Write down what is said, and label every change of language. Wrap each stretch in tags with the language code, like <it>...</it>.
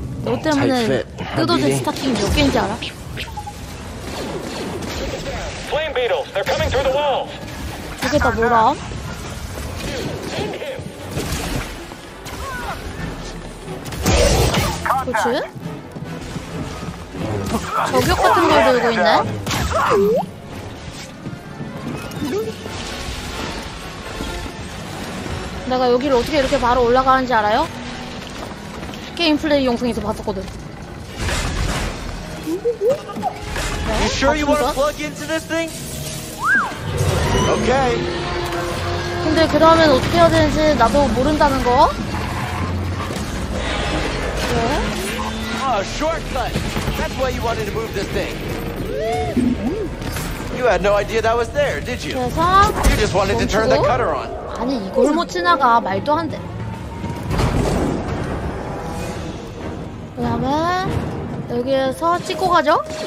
<ko>너 때문에 뜯어진 스타킹 몇 개인지 알아?</ko> <en>Flame beetles, they're coming through the walls.</en> <ko>저게 다 뭐라? 그치? 저격 같은 걸 들고 있네. 내가 여기를 어떻게 이렇게 바로 올라가는지 알아요? 게임 플레이 영상에서 봤었거든.</ko> <en>네, you sure you want to plug into this thing? Okay.</en> <ko>근데 그러면 어떻게 해야 되는지 나도 모른다는 거? 네.</ko> <en>Oh, shortcut. That's why you wanted to move this thing. You had no idea that was there, did you?</en> <ko>그래서</ko> <en>you just wanted</en> <ko>멈추고?</ko> <en>to turn the cutter on.</en> <ko>아니 이걸 못 지나가 말도 안 돼. 그다음에 여기에서 찍고 가죠.</ko>